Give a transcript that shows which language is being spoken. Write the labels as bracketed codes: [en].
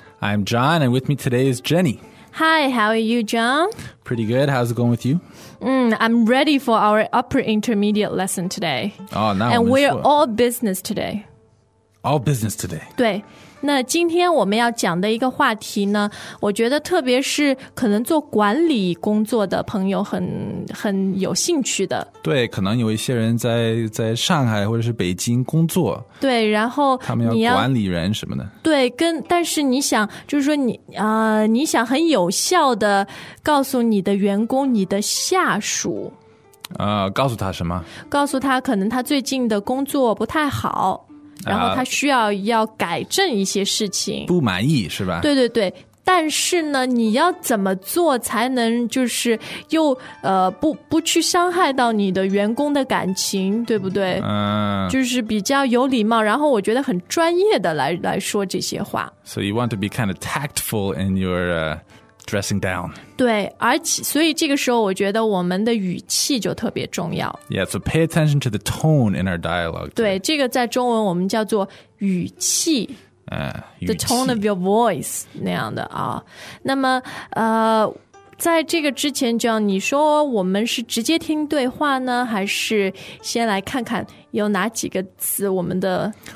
[en] I'm John, and with me today is Jenny. Hi, how are you, John? Pretty good. How's it going with you? I'm ready for our upper intermediate lesson today. Oh, now and we're all business today. All business today. [zh] 对。那今天我们要讲的一个话题呢，我觉得特别是可能做管理工作的朋友很有兴趣的。对，可能有一些人在上海或者是北京工作。对，然后他们要管理人什么的。对，但是你想，就是说你想很有效的告诉你的员工、你的下属。告诉他什么？告诉他可能他最近的工作不太好。然后他需要改正一些事情，不满意是吧？对对对，但是呢，你要怎么做才能就是又不去伤害到你的员工的感情，对不对？就是比较有礼貌，然后我觉得很专业的来说这些话。 [en] So you want to be kind of tactful in your dressing down. [zh] 对，而且所以这个时候我觉得我们的语气就特别重要。 [en] Yeah, so pay attention to the tone in our dialogue. [zh] 对，这个在中文我们叫做语气。语气。 [en] The tone of your voice, [zh] 那样的啊。那么在这个之前 John, 你说我们是直接听对话呢，还是先来看看有哪几个词我们的。